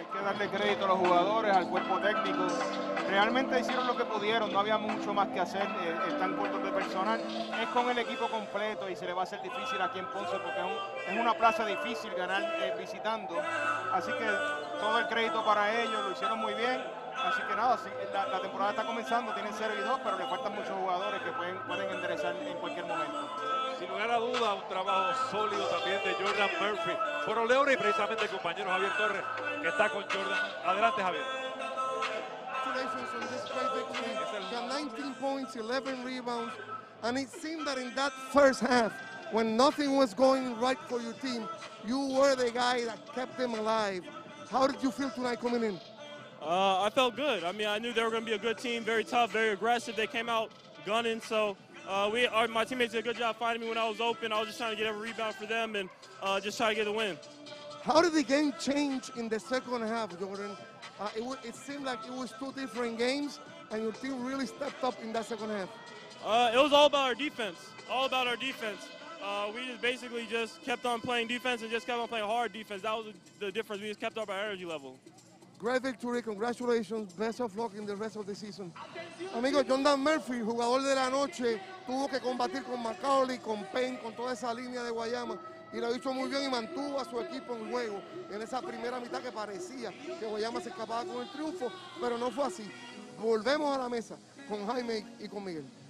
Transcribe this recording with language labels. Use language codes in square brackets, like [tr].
[es] Hay que darle crédito a los jugadores, al cuerpo técnico, realmente hicieron lo que pudieron, no había mucho más que hacer, están cortos de personal, es con el equipo completo y se le va a hacer difícil aquí en Ponce porque es una plaza difícil ganar visitando, así que todo el crédito para ellos, lo hicieron muy bien. Así que nada, la temporada está comenzando, tienen 0-2, pero le faltan muchos jugadores que pueden enderezar en cualquier momento. Sin lugar a duda, un trabajo sólido también de Jordan Murphy. Fueron Leones y precisamente el compañero Javier Torres, que está con Jordan. Adelante, Javier. [en] Today from this great victory, 19 points, 11 rebounds, and it seemed that in that first half, when nothing was going right for your team, you were the guy that kept them alive. How did you feel tonight coming in? I felt good. I mean, I knew they were going to be a good team, very tough, very aggressive. They came out gunning, so my teammates did a good job finding me when I was open. I was just trying to get every rebound for them and just try to get a win. How did the game change in the second half, Jordan? It seemed like it was two different games, and your team really stepped up in that second half. It was all about our defense. All about our defense. We just basically just kept on playing defense and just kept on playing hard defense. That was the difference. We just kept up our energy level. Great victory. Congratulations. Best of luck in the rest of the season. [es] Amigo, John Dan Murphy, jugador de la noche, tuvo que combatir con McCauley, con Payne, con toda esa línea de Guayama. Y lo hizo muy bien y mantuvo a su equipo en juego en esa primera mitad que parecía que Guayama se escapaba con el triunfo, pero no fue así. Volvemos a la mesa con Jaime y con Miguel.